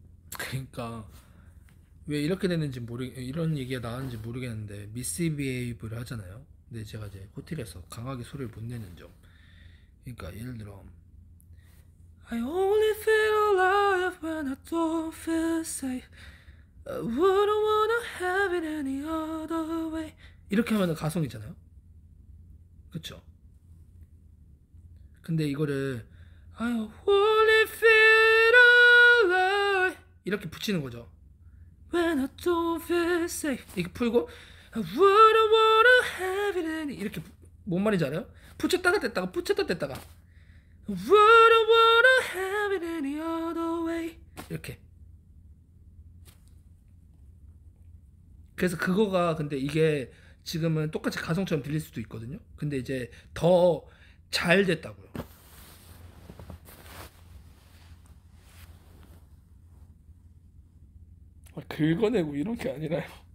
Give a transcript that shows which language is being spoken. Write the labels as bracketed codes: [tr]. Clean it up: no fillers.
[ko] 그러니까 왜 이렇게 됐는지 이런 얘기가 나왔는지 모르겠는데 미스비헤이브를 하잖아요. 근데 제가 이제 호텔에서 강하게 소리를 못 내는 점. 그러니까 예를 들어, [en] I only feel alive when I don't feel safe. I wouldn't wanna have it any other way. [ko] 이렇게 하면 가성이잖아요? 그쵸? 근데 이거를 [en] I only feel alive [ko] 이렇게 붙이는 거죠. [en] When I don't feel safe [ko] 이렇게 풀고 [en] I wouldn't wanna have it any [ko] 이렇게 뭔 말인지 알아요? 붙였다가 뗐다가 붙였다 뗐다가 [en] I wouldn't wanna have it any other way 이렇게. [ko] 그래서 그거가 근데 이게 지금은 똑같이 가성처럼 들릴 수도 있거든요. 근데 이제 더잘 됐다고요. 아, 긁어내고 이런 게 아니라요.